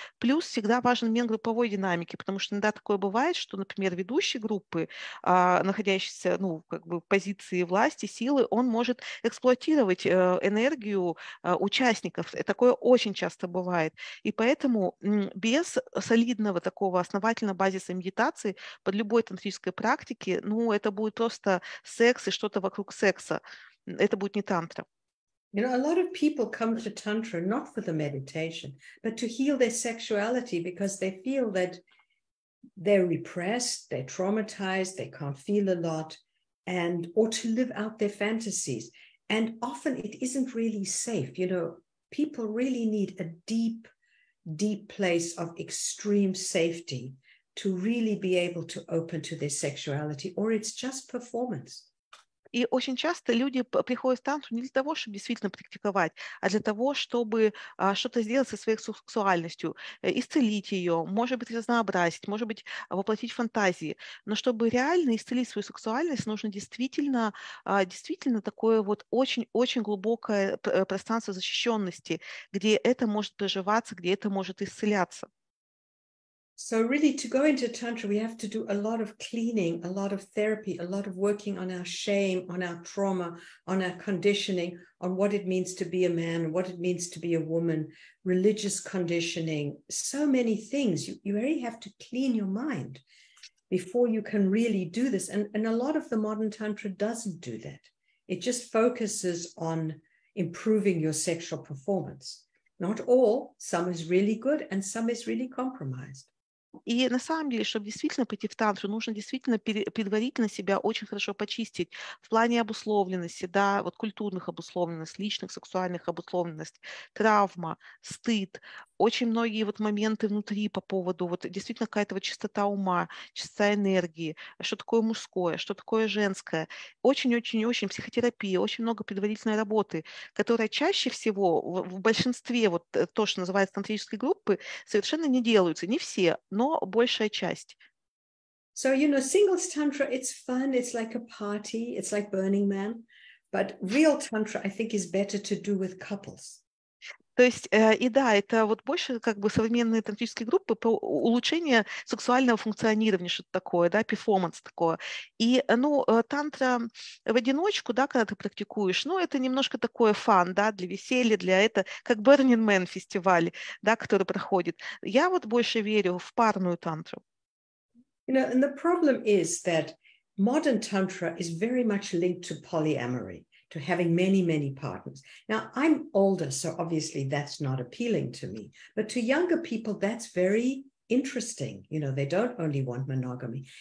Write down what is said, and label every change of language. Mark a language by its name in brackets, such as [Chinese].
[Russian] Плюс всегда важен момент групповой динамики, потому что иногда такое бывает, что, например, ведущий группы, находящийся, ну, как бы в позиции власти, силы, он может эксплуатировать энергию участников. Такое очень часто бывает. И поэтому без солидного такого основательного базиса медитации под любой тантрической практики, ну, это будет просто секс и что-то вокруг секса. Это будет не тантра. [English] You know, a lot of people come to tantra not for the meditation, but to heal their sexuality because they feel that they're repressed, they're traumatized, they can't feel a lot, and or to live out their fantasies. And often it isn't really safe. You know, people really need a deep, deep place of extreme safety to really be able to open to their sexuality, or it's just performance. [Russian] И очень часто люди приходят в тантру не для того, чтобы действительно практиковать, а для того, чтобы что-то сделать со своей сексуальностью, исцелить ее, может быть, разнообразить, может быть, воплотить фантазии. Но чтобы реально исцелить свою сексуальность, нужно действительно, действительно такое вот очень-очень глубокое пространство защищенности, где это может проживаться, где это может исцеляться. [English] So really, to go into tantra, we have to do a lot of cleaning, a lot of therapy, a lot of working on our shame, on our trauma, on our conditioning, on what it means to be a man, what it means to be a woman, religious conditioning, so many things. You really have to clean your mind before you can really do this. And a lot of the modern tantra doesn't do that. It just focuses on improving your sexual performance. Not all, some is really good and some is really compromised. [Russian] И на самом деле, чтобы действительно пойти в тантру, нужно действительно предварительно себя очень хорошо почистить в плане обусловленности, да, вот культурных обусловленностей, личных, сексуальных обусловленностей, травма, стыд. Очень многие вот моменты внутри по поводу вот действительно какая-то вот чистота ума, чистота энергии, что такое мужское, что такое женское. Очень-очень-очень психотерапия, очень много предварительной работы, которая чаще всего в большинстве вот то, что называется тантрической группы, совершенно не делаются. Не все, но большая часть. [English] So, you know, singles tantra, it's fun, it's like a party, it's like Burning Man. But real tantra, I think, is better to do with couples. [Russian] То есть, и да, это вот больше как бы современные тантрические группы по улучшению сексуального функционирования, что-то такое, да, перформанс такое. И, ну, тантра в одиночку, да, когда ты практикуешь, ну, это немножко такое фан, да, для веселья, для этого, как Burning Man фестиваль, да, который проходит. Я вот больше верю в парную тантру. [English] You know, and the problem is that modern tantra is very much linked to polyamory, to having many, many partners. Now, I'm older, so obviously that's not appealing to me. But to younger people, that's very interesting. You know, they don't only want monogamy.